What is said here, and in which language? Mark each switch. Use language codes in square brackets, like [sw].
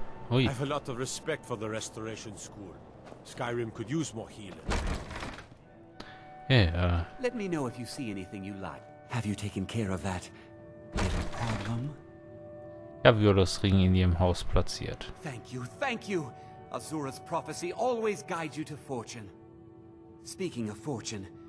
[en] I have a lot of respect for the Restoration School. Skyrim could use more healing. Yeah. Let me know if you see anything you like. Have you taken care of that little problem? [de] Ich habe Violas Ring in ihrem Haus platziert. [en] Thank you, thank you. Azura's prophecy always guides you to fortune. Speaking of fortune,